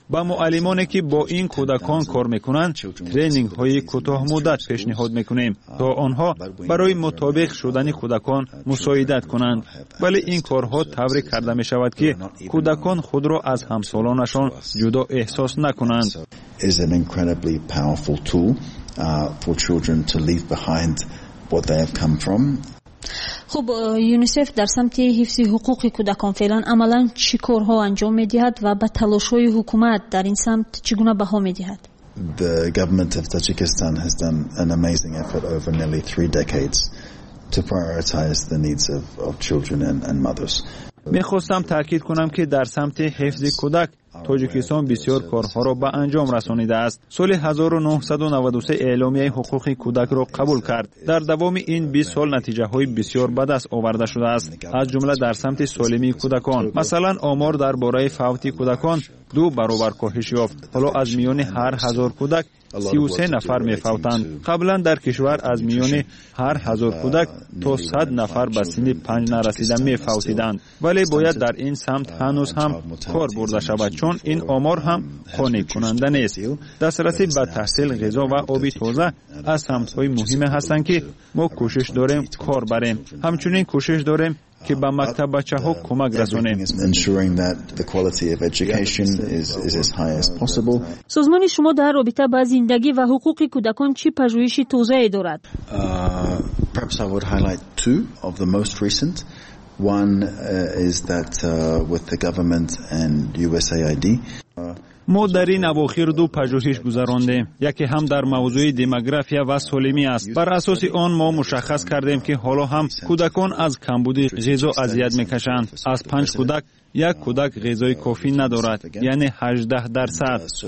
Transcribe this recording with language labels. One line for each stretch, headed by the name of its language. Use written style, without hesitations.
Persian: با معلمانی که با این کودکان کار میکنند ترینینگ های کوتاه مدت پیشنهاد میکنیم تا آنها برای مطابق شدن کودکان مساعدت کنند. ولی این کارها طوری کرده میشود که کودکان خود را از همسالانشان جدا احساس نکنند.
English: Is an incredibly powerful tool for children to leave behind what they have come from.
Persian: خب یونیسف در سمت حفظ حقوق کودکان فعلا عملا چی کارها انجام میدهد و با تلاش های حکومت در این سمت چگونه بها میدهد؟
English: The government of Tajikistan has done an amazing effort over nearly 3 decades to prioritize the needs of children and mothers.
Persian: میخواستم تاکید کنم که در سمت حفظ کودک تاجیکستان بسیار کارها را به انجام رسانیده است. سال 1993 اعلامیه حقوق کودک را قبول کرد. در دوام این 20 سال نتیجه های بسیار بد است آورده شده است، از جمله در سمت سالمی کودکان. مثلا آمار در باره فوتی کودکان 2 برابر کاهش یافت. حالا از میان هر 1000 کودک 33 نفر می فوتند. قبلا در کشور از میان هر 1000 کودک تا 100 نفر به سن 5 نرسیده می فوتیدند. ولی باید در این سمت هنوز هم کار برده شود، چون این آمار هم قانع کننده نیست. دسترسی به تحصیل غذا و آبی تازه از سمت‌های مهم هستند که ما کوشش داریم کار بریم. همچنین کوشش داریم که به مکتب بچه‌ها کمک رسانیم. سازمان شما در رابطه با زندگی و حقوق کودکان چه پژوهش تازه‌ای دارد؟
English: Perhaps I would highlight two of the most recent. One is that with the government and USAID.
Persian: ما در این اواخر دو پژوهش گذراندیم. یکی هم در موضوع دموگرافیا و سالمی است. بر اساس آن ما مشخص کردیم که حالا هم کودکان از کمبود غذا اذیت میکشند. از 5 کودک یک کودک غذای کافی ندارد، یعنی 18%.